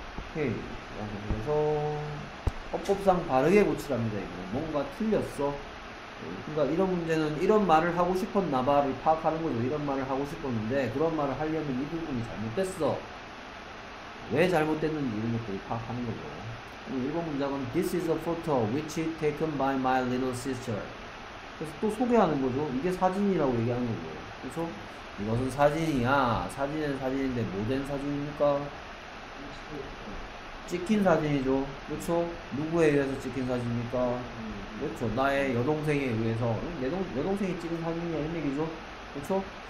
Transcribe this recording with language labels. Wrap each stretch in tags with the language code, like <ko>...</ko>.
<ko>오케이라고 해서 헌법상 바르게 고치랍니다. 이거 뭔가 틀렸어. 그러니까 이런 문제는 이런 말을 하고 싶었나봐를 파악하는 거죠. 이런 말을 하고 싶었는데 그런 말을 하려면 이 부분이 잘못됐어. 왜 잘못됐는지 이런 것들을 파악하는 거죠. 1번 문장은</ko> <en>This is a photo which is taken by my little sister.</en> <ko>그래서 또 소개하는 거죠. 이게 사진이라고 얘기하는 거죠. 그래서 이것은 사진이야. 사진은 사진인데 뭐 된 사진입니까? 찍힌 사진이죠. 그렇죠? 누구에 의해서 찍힌 사진입니까? 그렇죠. 나의 여동생에 의해서. 여동생이 찍은 사진이야. 이런 얘기죠. 그렇죠?</ko>